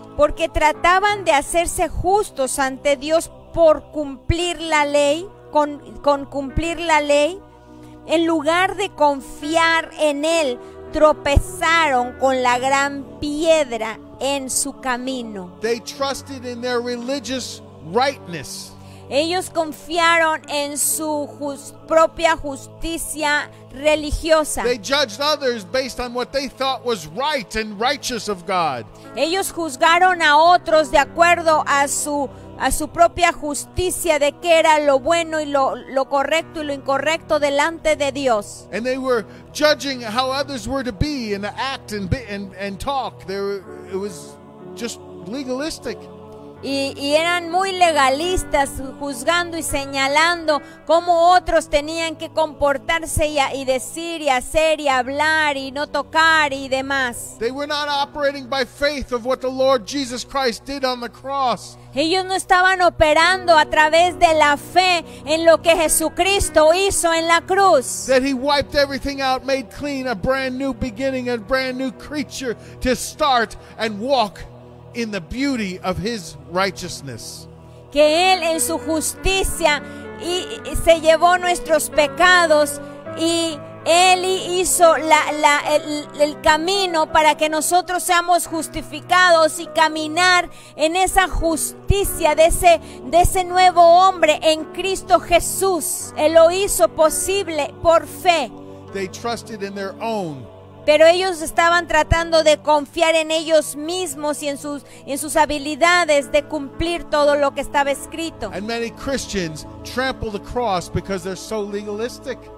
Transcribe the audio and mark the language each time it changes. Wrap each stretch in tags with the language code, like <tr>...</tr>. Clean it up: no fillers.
<es>Porque trataban de hacerse justos ante Dios por cumplir la ley, con cumplir la ley, en lugar de confiar en Él, tropezaron con la gran piedra en su camino.</es> <en>They trusted in their religious rightness.</en> <es>Ellos confiaron en su propia justicia religiosa.</es> <en>They judged others based on what they thought was right and righteous of God.</en> <es>Ellos juzgaron a otros de acuerdo a su propia justicia de qué era lo bueno y lo correcto y lo incorrecto delante de Dios.</es> <en>And they were judging how others were to be and act and talk. It was just legalistic.</en> <es>Y eran muy legalistas, juzgando y señalando cómo otros tenían que comportarse y decir y hacer y hablar y no tocar y demás.</es> <en>They were not operating by faith of what the Lord Jesus Christ did on the cross.</en> <es>Ellos no estaban operando a través de la fe en lo que Jesucristo hizo en la cruz.</es> <en>That he wiped everything out, made clean, a brand new beginning, a brand new creature to start and walk in the beauty of his righteousness.</en> <es>Que él en su justicia y se llevó nuestros pecados y él hizo el camino para que nosotros seamos justificados y caminar en esa justicia de ese nuevo hombre en Cristo Jesús. Él lo hizo posible por fe.</es> <en>They trusted in their own.</en> <es>Pero ellos estaban tratando de confiar en ellos mismos y en sus habilidades de cumplir todo lo que estaba escrito.</es> <en>And many Christians trample the cross because they're so legalistic.</en>